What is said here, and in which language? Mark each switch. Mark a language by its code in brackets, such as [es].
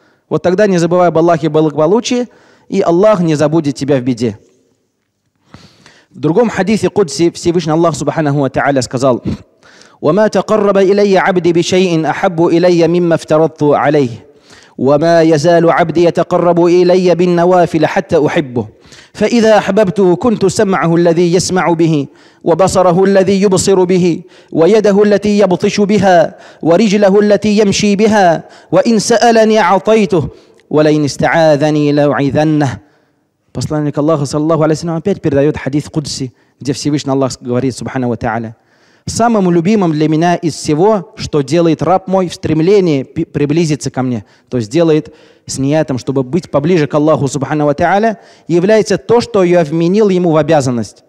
[ru] Вот тогда не забывай об Аллахе в благополучии, и Аллах не забудет тебя в беде. В другом хадисе Кудси Всевышний Аллах Субханаху ва Тааля сказал: [ar] «Вама тақарраба илайя абди би шайин ахаббу илайя мимма фтарадту алейх. Вама язалу абди ятақаррабу илайя бин навафил хатта ухиббу. فإذا أحببته كنت سمعه الذي يسمع به وبصره الذي يبصر به ويده التي يبطش بها ورجله التي يمشي بها وإن سألني أعطيته ولئن استعاذني لأعيذنه». [ru] Посланник Аллаха саллаллаху алейхи ва саллям опять передает хадис Кудси, где Всевышний Аллах говорит, Субхана ва Тааля: «Самым любимым для меня из всего, что делает раб мой в стремлении приблизиться ко мне», то есть делает с ниятом, чтобы быть поближе к Аллаху Субхана ва Тааля, является то, что я вменил ему в обязанность.